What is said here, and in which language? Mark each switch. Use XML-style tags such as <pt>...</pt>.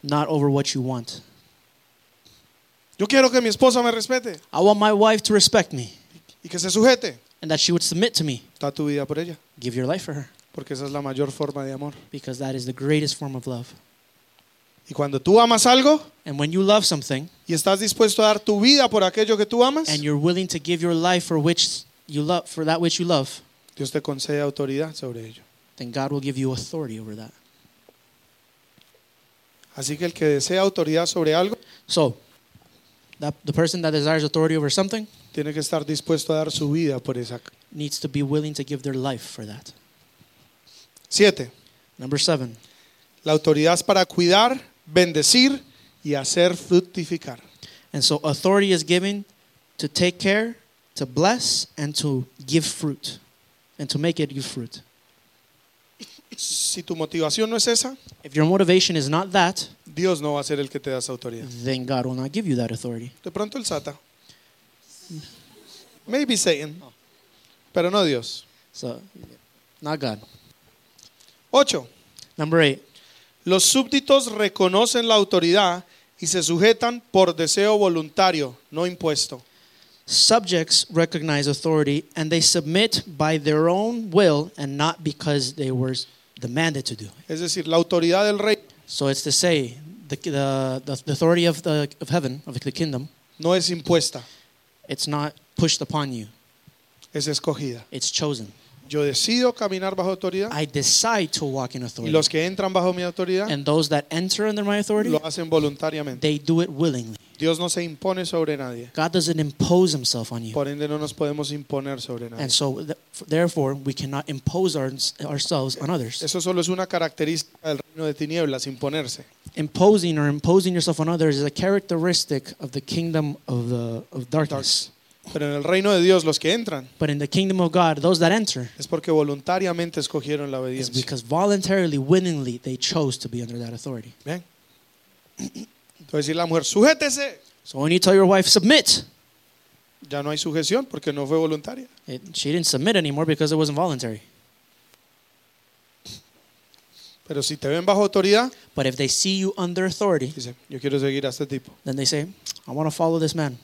<en>Not over what you want.</en> <es>Yo quiero que mi esposa me respete.</es> <en>I want my wife to respect me.</en> <es>Y que se sujete.</es> <en>And that she would submit to me.</en> <es>Da tu vida por ella.</es> <en>Give your life for her.</en> <es>Porque esa es la mayor forma de amor.</es> <en>Because that is the greatest form of love.</en> <es>Y cuando tú amas algo,</es> <en>and when you love something,</en> <es>y estás dispuesto a dar tu vida por aquello que tú amas,</es> <en>and you're willing to give your life for which you love, for that which you love,</en> <es>Dios te concede autoridad sobre ello.</es> <en>Then God will give you authority over that.</en> <es>Así que el que desea autoridad sobre algo,</es> <en>so that the person that desires authority over something,</en> <es>tiene que estar dispuesto a dar su vida por esa,</es> <en>needs to be willing to give their life for that.</en> <es>Siete.</es> <en>Number seven.</en> <es>La autoridad es para cuidar, bendecir y hacer fructificar.</es> <en>And so authority is given to take care, to bless, and to give fruit, and to make it give fruit.</en> <es>Si tu motivación no es esa,</es> <en>if your motivation is not that,</en> <es>Dios no va a ser el que te da esa autoridad.</es> <en>Then God will not give you that authority.</en> <es>De pronto el Satan.</es> <en>Maybe Satan. Oh.</en> <es>Pero no Dios.</es> <en>So, not God.</en> <es>Ocho.</es> <en>Number eight.</en> <es>Los súbditos reconocen la autoridad y se sujetan por deseo voluntario, no impuesto.</es> <en>Subjects recognize authority and they submit by their own will and not because they were the mandate to do.</en> <es>Es decir, la autoridad del rey.</es> <en>So it's to say the authority of the of heaven of the kingdom.</en> <es>No es impuesta.</es> <en>It's not pushed upon you.</en> <es>Es escogida.</es> <en>It's chosen.</en> <es>Yo decido caminar bajo autoridad.</es> <en>I decide to walk in authority.</en> <es>Y los que entran bajo mi autoridad.</es> <en>And those that enter under my authority.</en> <es>Lo hacen voluntariamente.</es> <en>They do it willingly.</en> <es>Dios no se impone sobre nadie.</es> <en>God doesn't impose himself on you.</en> <es>Por ende no nos podemos imponer sobre nadie.</es> <en>And so therefore we cannot impose ourselves on others.</en> <es>Eso solo es una característica del reino de tinieblas, imponerse.</es> <en>Imposing or imposing yourself on others is a characteristic of the kingdom of darkness.</en> <es>Pero en el reino de Dios los que entran.</es> <en>But in the kingdom of God, those that enter.</en> <es>Es porque voluntariamente escogieron la obediencia.</es> <en>It's because voluntarily, willingly, they chose to be under that authority.</en> <es>Bien. Entonces decir la mujer, sujétese.</es> <en>So when you tell your wife, submit.</en> <es>Ya no hay sujeción porque no fue voluntaria.</es> <en>She didn't submit anymore because it wasn't voluntary.</en> <es>Pero si te ven bajo autoridad.</es> <en>But if they see you under authority.</en> <es>Dice, yo quiero seguir a este tipo.</es> <en>Then they say, I want to follow this man.</en>